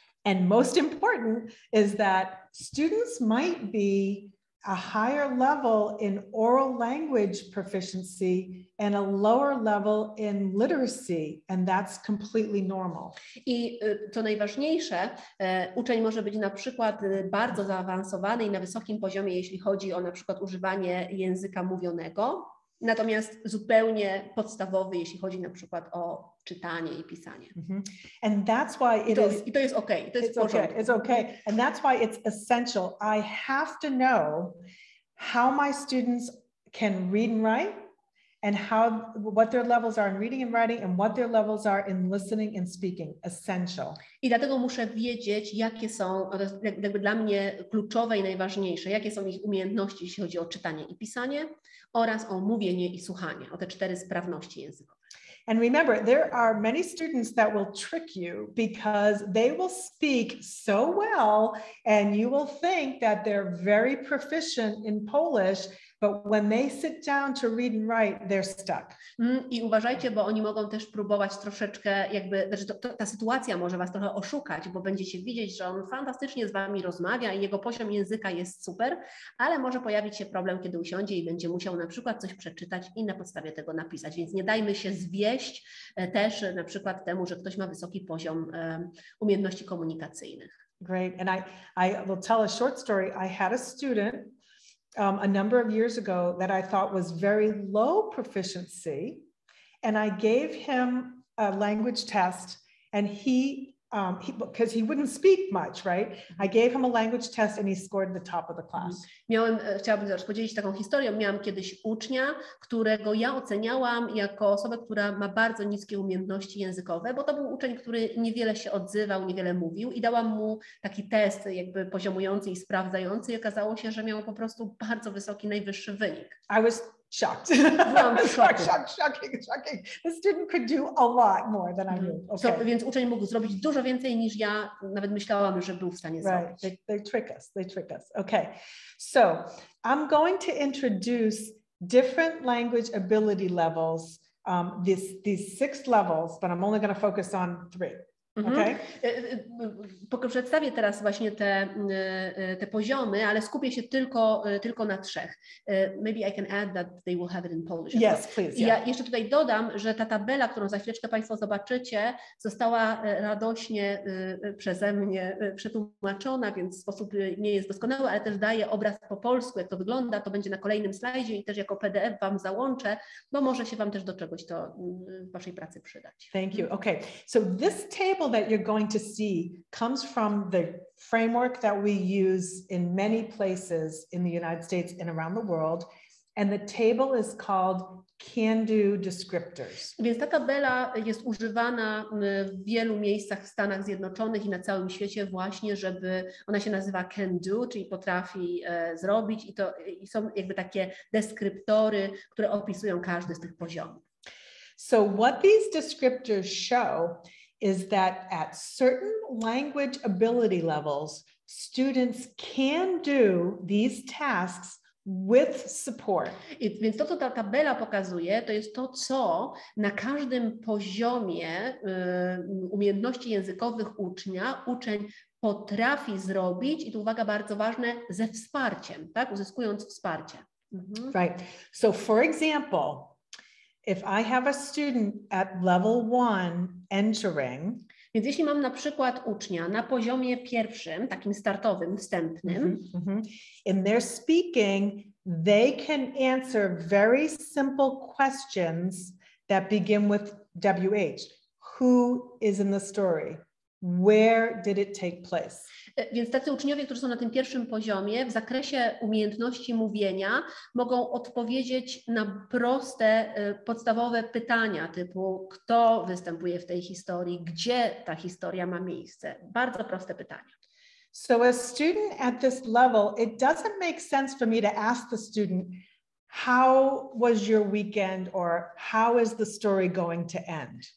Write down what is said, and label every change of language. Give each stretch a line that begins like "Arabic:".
English: And most important is that students might be a higher level in oral language proficiency and a lower level in literacy, and that's completely normal.
Polish: I to najważniejsze, uczeń może być na przykład bardzo zaawansowany i na wysokim poziomie, jeśli chodzi o na przykład używanie języka mówionego, natomiast zupełnie podstawowy, jeśli chodzi na przykład o czytanie i pisanie.
English: Mm-hmm. And that's why it
Polish: to,
English: is.
Polish: I to jest okay. To jest
English: it's okay. It's okay. And that's why it's essential. I have to know how my students can read and write, and how what their levels are in reading and writing and what their levels are in listening and speaking. Essential.
Polish: I dlatego muszę wiedzieć, jakie są jakby dla mnie kluczowe i najważniejsze, jakie są ich umiejętności, jeśli chodzi o czytanie i pisanie oraz o mówienie i słuchanie, o te cztery sprawności językowe.
English: And remember, there are many students that will trick you because they will speak so well and you will think that they're very proficient in Polish, but when they sit down to read and write, they're stuck.
Polish: I uważajcie, bo oni mogą też próbować troszeczkę jakby, znaczy ta sytuacja może was trochę oszukać, bo będziecie widzieć, że on fantastycznie z wami rozmawia i jego poziom języka jest super, ale może pojawić się problem, kiedy usiądzie i będzie musiał na przykład coś przeczytać i na podstawie tego napisać, więc nie dajmy się zwieść też na przykład temu, że ktoś ma wysoki poziom umiejętności komunikacyjnych.
English: Great, and I will tell a short story. I had a student a number of years ago that I thought was very low proficiency, and I gave him a language test, and because he wouldn't speak much, right? I gave him a language test and he scored the top of the class.
Polish: Chciałabym też podzielić taką historią. Miałam kiedyś ucznia, którego ja oceniałam jako osobę, która ma bardzo niskie umiejętności językowe, bo to był uczeń, który niewiele się odzywał, niewiele mówił i dałam mu taki test jakby poziomujący i sprawdzający i okazało się, że miał po prostu bardzo wysoki, najwyższy wynik.
English: Shocking. The student could do a lot more than I knew. Okay.
Polish: So, więc uczeń mógł zrobić dużo więcej niż ja nawet myślałam, że był w stanie zrobić.
English: Right. They trick us. Okay. So I'm going to introduce different language ability levels, these six levels, but I'm only going to focus on three. Okay.
Polish: Przedstawię teraz właśnie te poziomy, ale skupię się tylko na trzech.
English: Maybe I can add that they will have it in Polish. Yes, please.
Polish: Yeah. Ja jeszcze tutaj dodam, że ta tabela, którą za chwileczkę Państwo zobaczycie, została radośnie przeze mnie przetłumaczona, więc sposób nie jest doskonały, ale też daje obraz po polsku, jak to wygląda. To będzie na kolejnym slajdzie i też jako PDF Wam załączę, bo może się Wam też do czegoś to w Waszej pracy przydać.
English: Thank you. Okay. So this table that you're going to see comes from the framework that we use in many places in the United States and around the world, and the table is called can-do descriptors.
Polish: Więc ta tabela jest używana w wielu miejscach w Stanach Zjednoczonych i na całym świecie właśnie, żeby ona się nazywa can-do, czyli potrafi zrobić i to i są jakby takie deskryptory, które opisują każdy z tych poziomów.
English: So what these descriptors show is that at certain language ability levels, students can do these tasks with support.
Polish: I więc to, co ta tabela pokazuje, to jest to, co na każdym poziomie umiejętności językowych uczeń potrafi zrobić, i tu uwaga bardzo ważne, ze wsparciem, tak? Uzyskując wsparcie.
English: Mhm. Right. So for example, if I have a student at level one entering.
Polish: Więc jeśli mam na przykład ucznia na poziomie pierwszym, takim startowym, wstępnym.
English: In their speaking, they can answer very simple questions that begin with WH. Who is in the story? Where did it take place?
Polish: Więc tacy uczniowie, którzy są na tym pierwszym poziomie, w zakresie umiejętności mówienia, mogą odpowiedzieć na proste, podstawowe pytania, typu kto występuje w tej historii, gdzie ta historia ma miejsce. Bardzo proste pytania.
English: So a student at this level, it doesn't make sense for me to ask the student, how was your weekend or how is the story going to end?